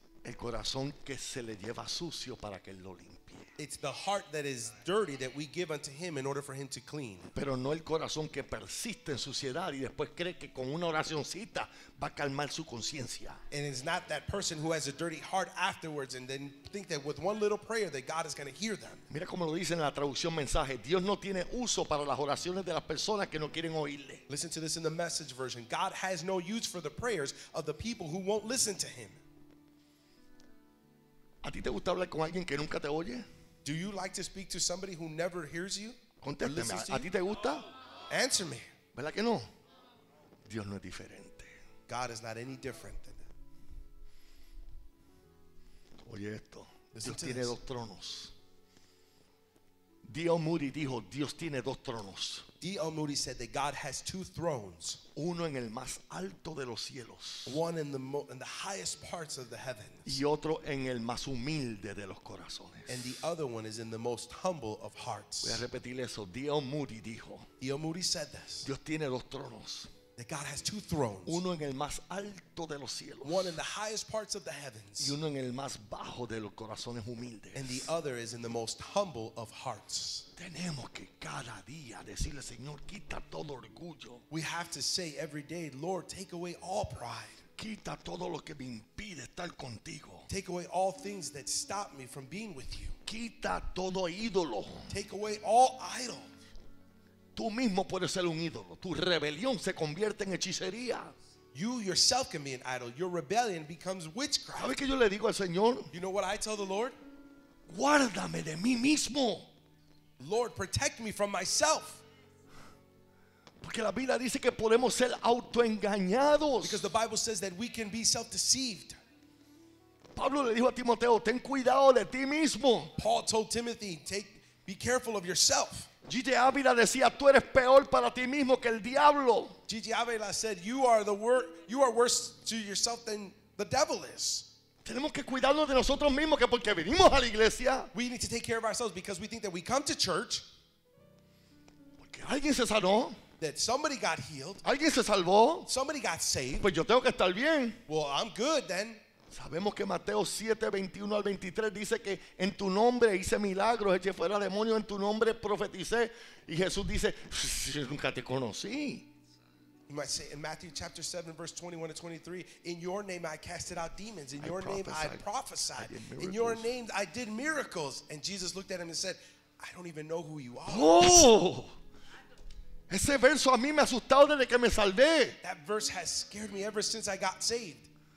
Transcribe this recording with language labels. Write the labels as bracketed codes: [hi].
[es] El corazón que se le lleva sucio para que él lo limpie. [en] It's the heart that is dirty that we give unto him in order for him to clean. [es] Pero no el corazón que persiste en suciedad y después cree que con una oracioncita va a calmar su conciencia. [en] And it's not that person who has a dirty heart afterwards and then think that with one little prayer that God is going to hear them. [es] Mira como lo dice en la traducción mensaje. Dios no tiene uso para las oraciones de las personas que no quieren oírle. [en] Listen to this in the message version. God has no use for the prayers of the people who won't listen to him. [es] ¿A ti te gusta hablar con alguien que nunca te oye? [en] Do you like to speak to somebody who never hears you? [es] Contésteme. ¿A ti te gusta? [en] Answer me. [es] ¿Verdad que no? Dios no es diferente. [en] God is not any different than that. [es] Oye esto. Dios tiene dos tronos. D.L. Moody dijo, Dios tiene dos tronos. [en] D.L. Moody said that God has two thrones. [es] Uno en el más alto de los cielos. [en] One in the highest parts of the heavens. [es] Y otro en el más humilde de los corazones. [en] And the other one is in the most humble of hearts. [es] Voy a repetir eso. D.L. Moody dijo. [en] D.L. Moody said this. [es] Dios tiene dos tronos. [en] That God has two thrones. [es] Uno en el más alto de los cielos. [en] One in the highest parts of the heavens. [es] Y uno en el más bajo de los corazones humildes. [en] And the other is in the most humble of hearts. [es] Tenemos que cada día decirle, Señor, quita todo orgullo. [en] We have to say every day, Lord, take away all pride. [es] Quita todo lo que me impide estar contigo. [en] Take away all things that stop me from being with you. [es] Quita todo ídolo. [en] Take away all idols. [es] Tú mismo puedes ser un ídolo. Tu rebelión se convierte en hechicería. [en] You yourself can be an idol. Your rebellion becomes witchcraft. [es] ¿Sabes qué yo le digo al Señor? [en] You know what I tell the Lord? [es] Guárdame de mí mismo. [en] Lord, protect me from myself. [es] Porque la Biblia dice que podemos ser autoengañados. [en] Because the Bible says that we can be self-deceived. [es] Pablo le dijo a Timoteo, ten cuidado de ti mismo. [en] Paul told Timothy, be careful of yourself. [es] G.J. Ávila decía, tú eres peor para ti mismo que el diablo. [en] G.J. Ávila said, you are worse to yourself than the devil is. [es] Tenemos que cuidarnos de nosotros mismos que porque venimos a la iglesia. [en] We need to take care of ourselves because we think that we come to church. [es] Porque alguien se sanó. [en] That somebody got healed. [es] Alguien se salvó. [en] Somebody got saved. [es] Pues yo tengo que estar bien. [en] Well, I'm good then. [es] Sabemos que Mateo 7, 21 al 23 dice que en tu nombre hice milagros, eché fuera demonios, en tu nombre profeticé. Y Jesús dice, yo nunca te conocí. [en] You might say in Matthew chapter 7, verse 21 to 23, in your name I casted out demons, in your name I prophesied, in your name I did miracles. And Jesus looked at him and said, I don't even know who you are. [es] Oh, ese verso a mí me ha asustado desde que me salvé. [en] That verse has scared me ever since I got saved.